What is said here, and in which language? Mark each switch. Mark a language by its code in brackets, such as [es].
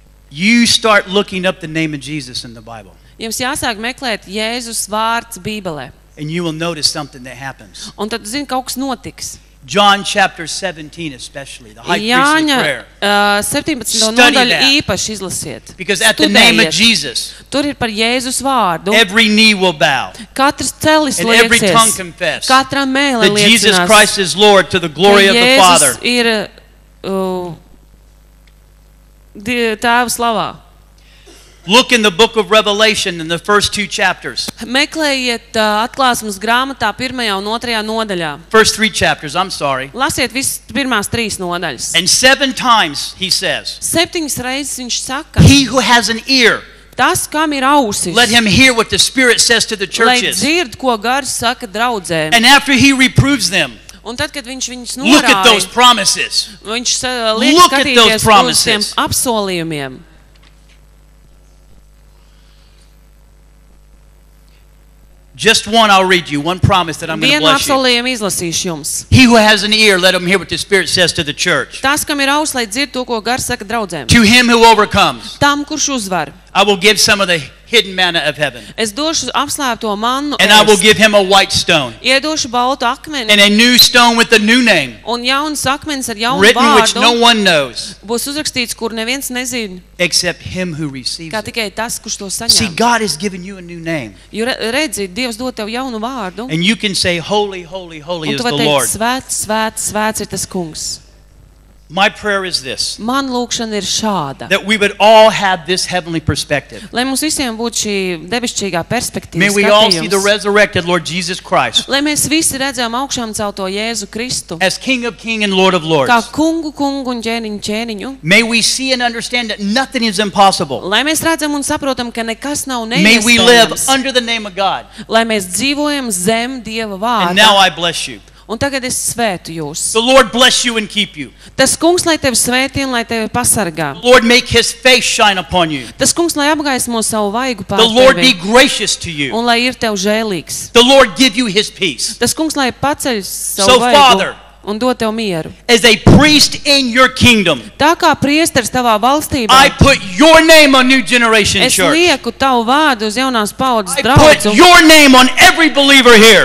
[en] You start looking up the name of Jesus in the Bible. [lv] Jums jāsāk meklēt Jēzus vārds Bībelē. [en] And you will notice something that happens. [lv] Un tad zini, kaut kas notiks. [en] John chapter 17 especially, the high [lv] Jāņa, [en] priestly prayer. [lv] Jāņa 17. Nodaļu īpaši izlasiet. [en] Because at the name of Jesus, [lv] tur ir par Jēzus vārdu. [en] Every knee will bow. [lv] Katrs celis [en] and every tongue confess. [lv] Katram mēlē liecinās. [en] That Jesus Christ is Lord to the glory of the Father. [lv] Jēzus ir Tēva slavā. [en] Look in the book of Revelation in the first 2 chapters. [lv] Meklējiet atklāsmes grāmatā pirmajā un otrajā nodaļā. [en] First 3 chapters, I'm sorry. [lv] Lasiet visas pirmās trīs nodaļas. [en] And 7 times he says. [lv] Septiņas reizes viņš saka. [en] He who has an ear. [lv] Tas, kam ir ausis. [en] Let him hear what the Spirit says to the churches. [lv] Lai dzird, ko gars saka draudzēm. [en] And after he reproves them. [lv] Un tad, kad viņš viņus norāja. [en] Look at those promises. [lv] Viņš liek skatīties uz tiem apsolījumiem. [en] Just one, I'll read you. One promise that I'm going to bless you. [lv] Izlasīšu jums. [en] He who has an ear, let him hear what the Spirit says to the church. [lv] Tas, kam ir aus, lai dzird to, ko gars saka draudzēm. [en] To him who overcomes. [lv] Tam, kurš uzvar. [en] I will give some of the hidden manna of heaven. [lv] Es došu apslēpto mannu. [en] And I will give him a white stone. [lv] Iedošu baltu akmeni. [en] And a new stone with a new name. [lv] Un jauns akmens ar jaunu [en] written, [lv] vārdu. [en] Written which no one knows. [lv] Būs uzrakstīts, kur neviens nezin. [en] Except him who receives. [lv] Kā tikai tas, kurš to saņem. [en] See, God has given you a new name. [lv] Jo redzi, Dievs dod tev jaunu vārdu. [en] And you can say holy, holy, holy is the Lord. [lv] Svēts, svēts, svēts ir tas Kungs. [en] My prayer is this. [lv] Man lūkšana ir šāda. [en] That we would all have this heavenly perspective. [lv] Lai mums visiem būtu šī debesšķīgā perspektīva. [en] May we all see the resurrected Lord Jesus Christ. [lv] Lai mēs visi redzam augšāmcelto Jēzu Kristu. [en] As King of Kings and Lord of Lords. [lv] Kā Kungu Kungu un Ķēniņu Ķēniņu. [en] May we see and understand that nothing is impossible. [lv] Lai mēs redzam un saprotam, ka nekas nav neiespējams. [en] May we live under the name of God. [lv] Lai mēs dzīvojam zem Dieva vārda. [en] And now I bless you. [lv] Un tagad es svētu jūs. [en] The Lord bless you and keep you. [lv] Tas Kungs lai tevi svētī un lai tevi pasargā. [en] The Lord make his face shine upon you. [lv] Tas Kungs lai apgaismo savu vaigu pār tevi. [en] The Lord be gracious to you. [lv] Un lai ir tev žēlīgs. [en] The Lord give you his peace. [lv] Tas Kungs lai paceļ savu [en] so, [lv] vaigu. [en] Father, [lv] un dod tev mieru. [en] As a priest in your kingdom. [lv] Tā kā priesters tavā valstī. [en] I put your name on new generation church. [lv] Es lieku tavu vārdu uz jaunās paudzes draugu. [en] I put your name on every believer here.